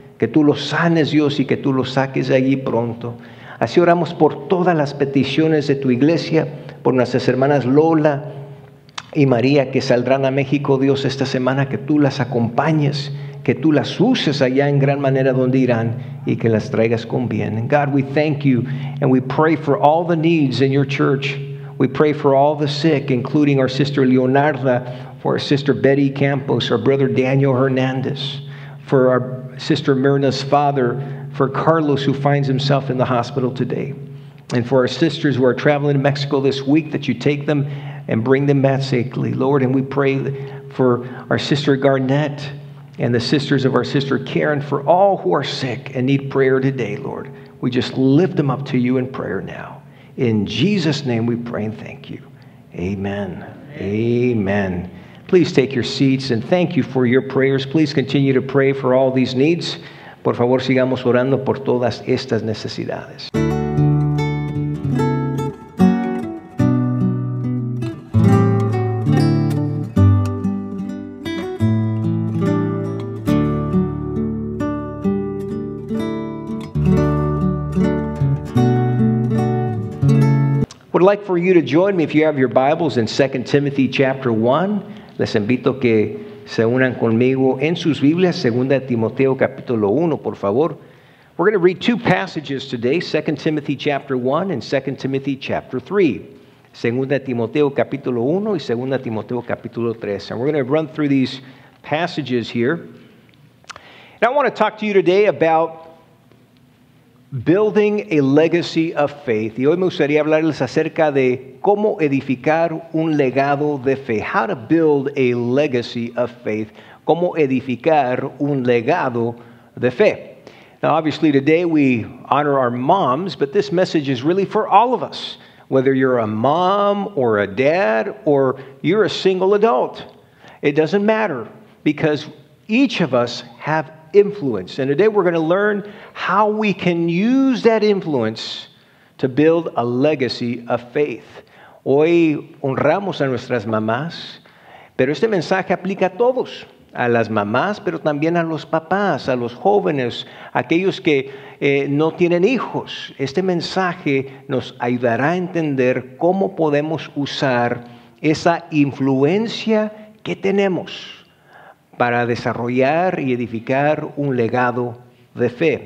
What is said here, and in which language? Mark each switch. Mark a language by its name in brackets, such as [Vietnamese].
[Spanish] Que tú lo sanes, Dios, y que tú lo saques de allí pronto. Así oramos por todas las peticiones de tu iglesia, por nuestras hermanas Lola y María, que saldrán a México, Dios, esta semana, que tú las acompañes, que tú las uses allá en gran manera donde irán y que las traigas con bien. [English] And God, we thank you and we pray for all the needs in your church. We pray for all the sick, including our sister Leonarda, for our sister Betty Campos, our brother Daniel Hernandez, for our sister Myrna's father, for Carlos, who finds himself in the hospital today, and for our sisters who are traveling to Mexico this week, that you take them and bring them back safely, Lord. And we pray for our sister Garnett and the sisters of our sister Karen, for all who are sick and need prayer today, Lord. We just lift them up to you in prayer now. In Jesus' name we pray and thank you. Amen. Amen. Amen. Please take your seats and thank you for your prayers. Please continue to pray for all these needs. [Spanish] Por favor, sigamos orando por todas estas necesidades. [English] I'd like for you to join me, if you have your Bibles, in 2 Timothy chapter 1. [Spanish] Les invito que se unan conmigo en sus Biblias, 2 Timoteo capítulo 1, por favor. [English] We're going to read two passages today, 2 Timothy chapter 1 and 2 Timothy chapter 3. [Spanish] 2 Timoteo capítulo 1 y 2 Timoteo capítulo 3. [English] And we're going to run through these passages here. And I want to talk to you today about building a legacy of faith. [Spanish] Y hoy me gustaría hablarles acerca de cómo edificar un legado de fe. [English] How to build a legacy of faith. [Spanish] Cómo edificar un legado de fe. [English] Now, obviously, today we honor our moms, but this message is really for all of us. Whether you're a mom or a dad or you're a single adult, it doesn't matter, because each of us have influence. And today we're going to learn how we can use that influence to build a legacy of faith. [Spanish] Hoy honramos a nuestras mamás, pero este mensaje aplica a todos, a las mamás, pero también a los papás, a los jóvenes, aquellos que no tienen hijos. Este mensaje nos ayudará a entender cómo podemos usar esa influencia que tenemos para desarrollar y edificar un legado de fe.